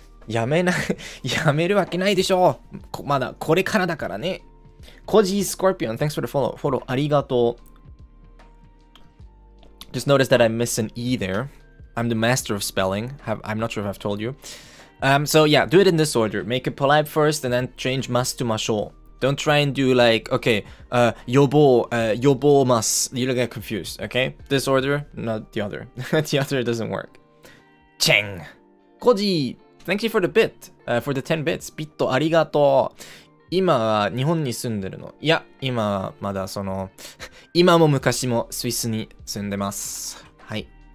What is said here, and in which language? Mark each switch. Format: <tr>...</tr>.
<ja>やめるわけないでしょ。まだこれからだからね。</ja> <en>Koji Scorpion, thanks for the follow. Follow, arigato. Just notice that I miss an E there. I'm the master of spelling. I'm not sure if I've told you. So yeah, do it in this order. Make it polite first and then change mas to masho. Don't try and do like, okay, yobo mas. You'll get confused, okay? This order, not the other. The other doesn't work. Cheng. Koji. Thank you for the bit, for the 10 bits.</en> <ja>Bitto, arigato. 今は日本に住んでるの? いや、今はまだその... 今も昔もスイスに住んでます。はい。</ja>